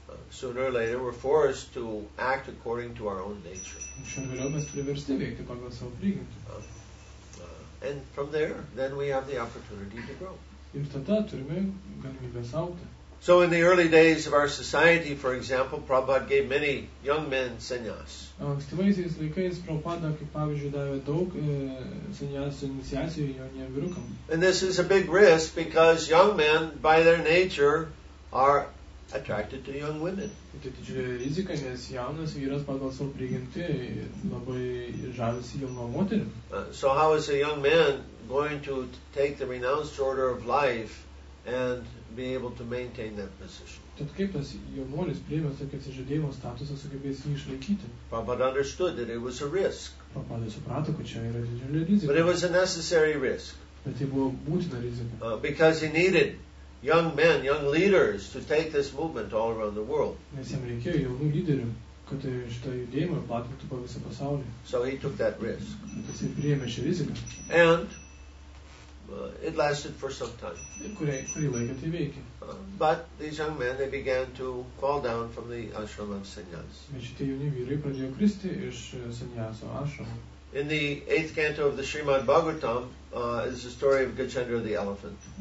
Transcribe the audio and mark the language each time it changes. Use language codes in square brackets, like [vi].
[en] Sooner or later we're forced to act according to our own nature. And from there, then we have the opportunity to grow. So in the early days of our society, for example, Prabhupada gave many young men sannyas. [lt] Ankstyvaisiais laikais Prabhupada, kaip pavyzdžiui, davė daug sannyasų iniciacijų jauniem vyrukam. [en] And this is a big risk because young men, by their nature, are attracted to young women. [lt] Tai didžiulė rizika, nes jaunas vyras pagal savo prigimtį labai žavisi jauna moterim. [en] So how is a young man going to take the renounced order of life and be able to maintain that position? [lt] Tad kaip tas jaunuolis priėmė tokį atsižadėjimo statusą, sugebės jį išlaikyti? [en] Prabhupada understood that it was a risk. [lt] Prabhupada suprato, kad čia yra didžiulė rizika. [en] But it was a necessary risk. [lt] Bet tai buvo būtina rizika. [en] Because he needed young men, young leaders to take this movement all around the world. [lt] Nes jam reikėjo jaunų lyderių, kad šitą judėjimą platintų po visą pasaulį. [en] So he took that risk. [lt] Jis priėmė šią riziką. [en] And it lasted for some time. [lt] Kurį laiką tai veikė. [en] But these young men, they began to fall down from the ashram of sannyas. [lt] Šitie jauni vyrai pradėjo kristi iš sannyaso ashram. [en] In the 8th canto of the Srimad Bhagavatam is the story of Gajendra the elephant.